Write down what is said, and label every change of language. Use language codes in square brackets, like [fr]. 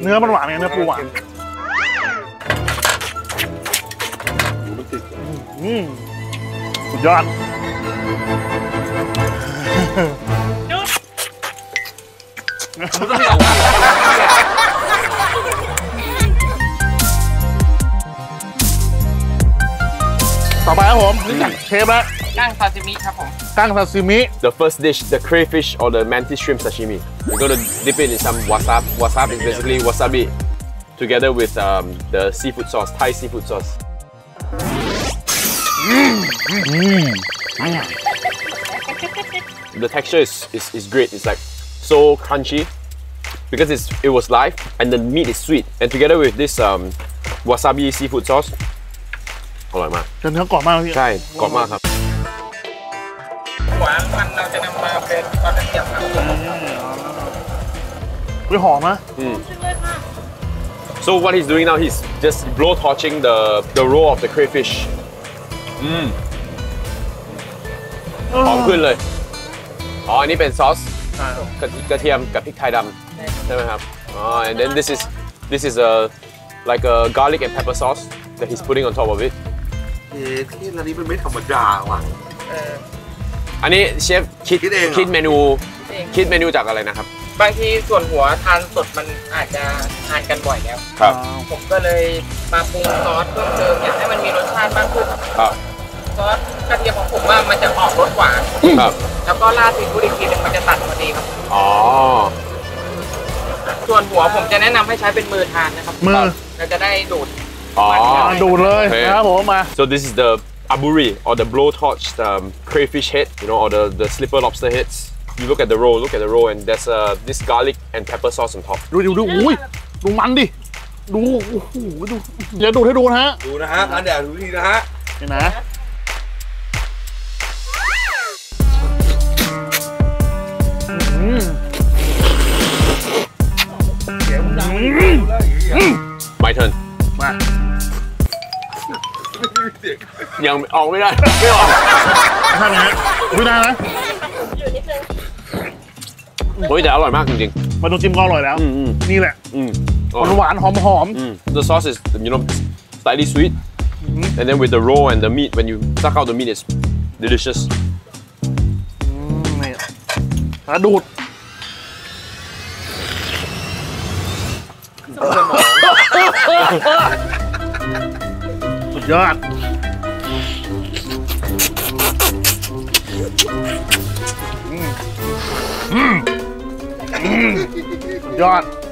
[th] เนื้อมันหวานไงเนื้อปูหวานสุดยอดต่อไปครับผมเชฟละ กั้งซาซิมิครับผม กั้งซาซิมิ [en] the first dish the crayfish or the mantis shrimp sashimi we're gonna dip it in some wasabi is basically wasabi together with the seafood sauce Thai seafood sauce the texture is great it's like so crunchy because it was live and the meat is sweet and together with this wasabi seafood sauce [th] อร่อยมาก จะเนื้อกรอบมากพี่ใช่กรอบมากครับ หวานมันเราจะนำมาเป็นปลาตะเกียบ ครับไม่หอมนะ [en] So what he's doing now he's just blow torching the roe of the crayfish [th] หอมขึ้นเลยอ๋อ นี่เป็นซอสกระเทียมกับพริกไทยดำใช่ไหมครับอ๋อ [en] and then this is a like a garlic and pepper sauce that he's putting on top of it [th] ที่ ร้านนี้ มัน ไม่ธรรมดาว่ะ อันนี้ เชฟ คิด เมนูคิดเมนูจากอะไรนะครับ บางทีส่วนหัวทานสดมันอาจจะทานกันบ่อยแล้ว ครับ ผมก็เลยมาปรุงซอสเพิ่มเติมอยากให้มันมีรสชาติมากขึ้น ครับ ซอสกระเทียมของผมว่ามันจะออกรสหวาน ครับ แล้วก็ราดซีฟู้ดอีกทีนึงมันจะตัดพอดีครับ อ๋อส่วนหัวผมจะแนะนำให้ใช้เป็นมือทานนะครับ มือ เราจะได้ดูด ดูดเลยนะครับผมมา [en] so this is the aburi or the blowtorch crayfish head you know or the slipper lobster heads you look at the roe and there's this garlic and pepper sauce on top [th] ดูอุ้ยดูมันดิดูโอ้โหดูอย่าดูให้ดูนะฮะ ดูนะฮะอันเดียวดูทีนะฮะ นะ [en] My turn [th] ยังออกไม่ได้ไม่ออก ท่ าน นะไม่ได้นะ อยู่ นิ ดนึ ง โอ้ยแต่อร่อยมากจริง ๆมาดูจิ้มก็อร่อยแล้วนี่แหละหวานหอมหอม [en] the sauce is you know slightly sweet and then with the roe and the meat when you suck out the meat it's delicious [th] กระดูดยอดยอด